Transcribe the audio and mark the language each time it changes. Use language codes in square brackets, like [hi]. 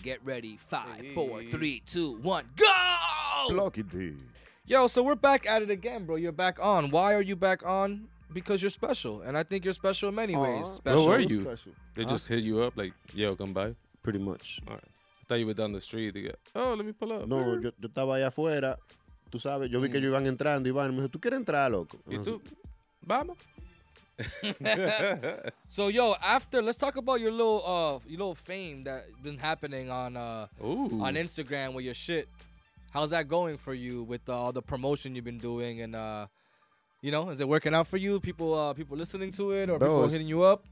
[en] Get ready. 5, 4, 3, 2, 1, go! Lock it in. Yo, so we're back at it again, bro. You're back on. Why are you back on? Because you're special, and I think you're special in many ways. Special. Where were you? Special. They just hit you up like, yo, come by? Pretty much. All right. I thought you were down the street. They go, oh, let me pull up. [es] No, yo estaba allá afuera. Tú sabes, yo vi que ellos iban entrando, Iván, me dijo, ¿tú quieres entrar, loco? ¿Y tú? Vamos. [en] So, yo, after, let's talk about your little fame that's been happening on Instagram with your shit. How's that going for you with all the promotion you've been doing? And, you know, is it working out for you? People listening to it or people hitting you up?